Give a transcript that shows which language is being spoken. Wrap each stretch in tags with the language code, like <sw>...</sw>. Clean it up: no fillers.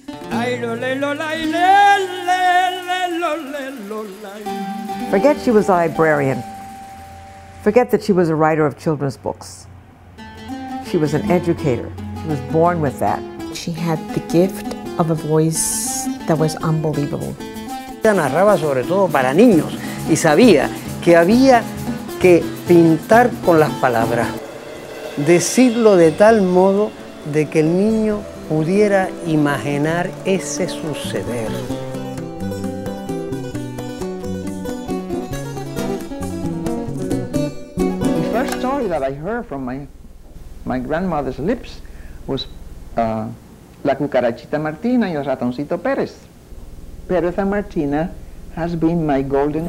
<en>Ay, lo, le, lo, lai, le, le, le, lo, le, lo, lai. Forget she was a librarian. Forget that she was a writer of children's books. She was an educator. She was born with that. She had the gift of a voice that was unbelievable.</en> <es>Ella narraba sobre todo para niños y sabía que había que pintar con las palabras. Decirlo de tal modo de que el niño pudiera imaginar ese suceder.</es> <en>The first story that I heard from my grandmother's lips was La Cucarachita Martina y el Ratoncito Pérez. Pérez and Martina has been my golden</en>